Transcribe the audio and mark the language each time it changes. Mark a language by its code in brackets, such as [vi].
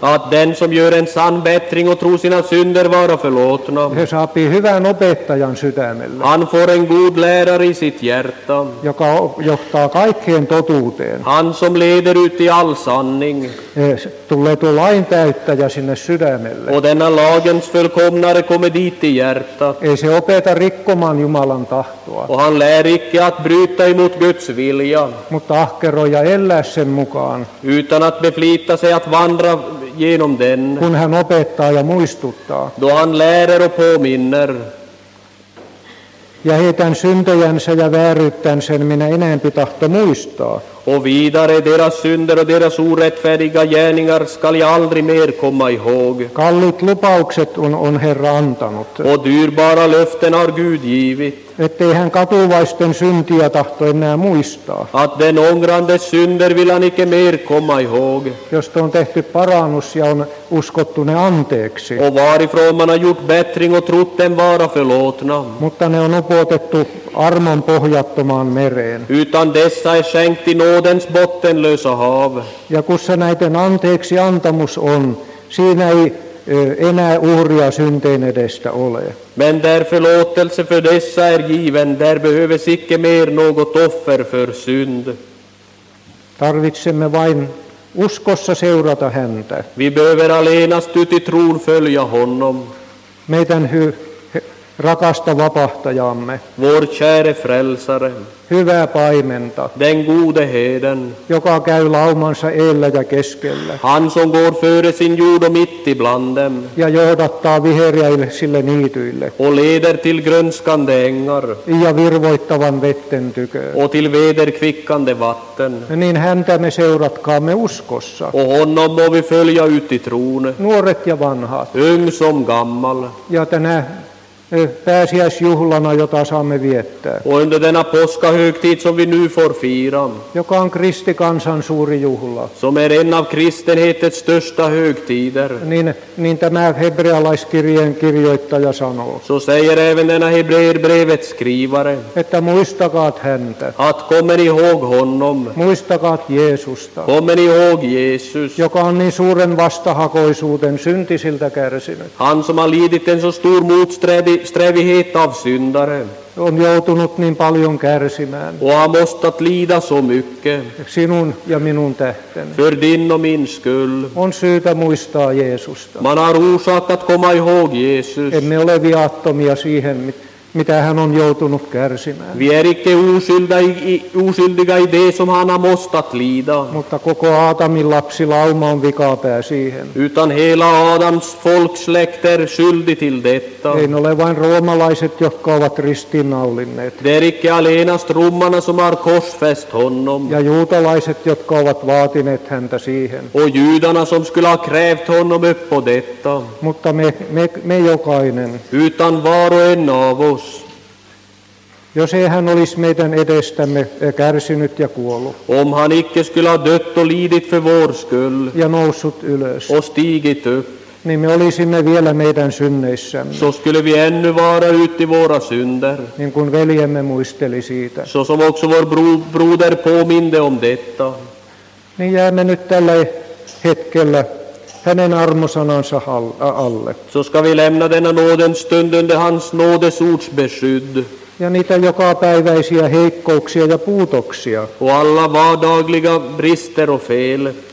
[sv] Att den som gör en sann bättring och tror sina synder vara förlåtna. [fi] He saapii hyvän opettajan sydämelle. [sv] Han får en god lärare i sitt hjärta. [fi] Joka johtaa kaikkeen totuuteen. [sv] Han som leder ut i all sanning. [fi] Tulee tuo lain täyttäjä sinne sydämelle. [sv] Och denna lagens fullkomnare kommer dit i hjärtat. [fi] Ei se opeta rikkomaan Jumalan tahtoa. [sv] Och han lär icke att bryta emot Guds vilja. [fi] Mutta ahkeroja ellä sen mukaan. [sv] Utan att beflita sig att vandra genom den. [fi] Kun hän opettaa ja muistuttaa. [sv] Då han lärer och påminner. [fi] Ja heidän syntejänsä ja vääryyttänsä minä enempi tahto muistaa. [sv] Och vidare deras synder och deras orättfärdiga gärningar skall jag aldrig mer komma ihåg. [fi] Kallit lupaukset on Herra antanut. [sv] Och dyrbara löften har Gud givit. [fi] Ettei hän katuvaisten syntiä tahto enää muistaa. [sv] Att den ångrande synder vill han icke mer komma ihåg. [fi] Josta on tehty parannus ja on uskottu ne anteeksi. [sv] Och varifrån man har gjort bättring och trott den vara förlåtna. [fi] Mutta ne on upotettu armon pohjattomaan mereen. [sv] Utan dessa är skänkt i nådens bottenlösa hav. [fi] Ja kussa näiden anteeksi antamus on, siinä ei enää uhria synteen edestä ole. [sv] Men där förlåtelse för dessa är given, där behövs icke mer något offer för synd. [fi] Tarvitsemme vain uskossa seurata häntä. [sv] Vi behöver allenast ut i tron följa honom. [fi] Meidän rakasta vapahtajamme. [sv] Vår käre frälsare. [fi] Hyvä paimenta. [sv] Den gode heden. [fi] Joka käy laumansa eellä ja keskellä. [sv] Han som går före sin jord och mitt ibland dem. [fi] Ja johdattaa viheriäisille niityille. [sv] Och leder till grönskande ängar. [fi] Ja virvoittavan vetten tykö. [sv] Och till vederkvickande vatten. [fi] Niin häntä me seuratkaamme uskossa. [sv] Och honom må vi följa ut i tron. [fi] Nuoret ja vanhat. [sv] Yng som gammal. [fi] Ja tänä pääsiäisjuhlana, jota saamme viettää. [sv] Och under denna påskahögtid som vi nu får fira. [fi] Joka on kristikansan suuri juhla. [sv] Som är en av kristenhetens största högtider. [fi] Niin tämä hebrealaiskirjeen kirjoittaja sanoo. [sv] Så säger även denna hebreerbrevet skrivare. [fi] Että muistakaat häntä. [sv] Att kommer ihåg honom. [fi] Muistakaat Jeesusta. [sv] Kommer ihåg Jesus. [fi] Joka on niin suuren vastahakoisuuden syntisiltä kärsinyt. [sv] Han som har lidit en så stor motsträv. Strävighet av syndaren. [fi] On joutunut niin paljon kärsimään. [sv] Och har måstat lida så mycket. [fi] Sinun ja minun tähteni. [sv] För din och min skull. [fi] On syytä muistaa Jeesusta. [sv] Man har orsak att komma ihåg Jesus. [fi] Emme ole viattomia siihen, mitä hän on joutunut kärsimään. [sv] Vi är icke oskyldiga i det som han har måstat lida. [fi] Mutta koko Aadamin lapsi lauma on vikapää siihen. [sv] Utan hela Adams folksläkt är skyldig till detta. [fi] Ei ole vain roomalaiset, jotka ovat ristiinnaulinneet. [sv] Det är icke allenast romarna som har korsfäst honom. [fi] Ja juutalaiset, jotka ovat vaatineet häntä siihen. [sv] Och judarna som skulle ha krävt honom upp på detta. [fi] Mutta me jokainen. [sv] Utan var och en av oss. [fi] Jos ei hän olisi meidän edestämme kärsinyt ja kuollut. [sv] Om han icke skulle ha dött och lidit för vår skull. [fi] Ja noussut ylös. [sv] Och stigit upp. [fi] Niin me olisimme vielä meidän synneissämme. [sv] Så skulle vi ännu vara ute i våra synder. [fi] Niin kuin veljemme muisteli siitä. [sv] Så som också vår broder påminde om detta. [fi] Niin jäämme nyt tällä hetkellä hänen armosanansa alle. [sv] Så ska vi lämna denna nådens stund under hans nådesords beskydd. [fi] Ja niitä jokapäiväisiä heikkouksia ja puutoksia. [sv] Och alla vardagliga brister och fel.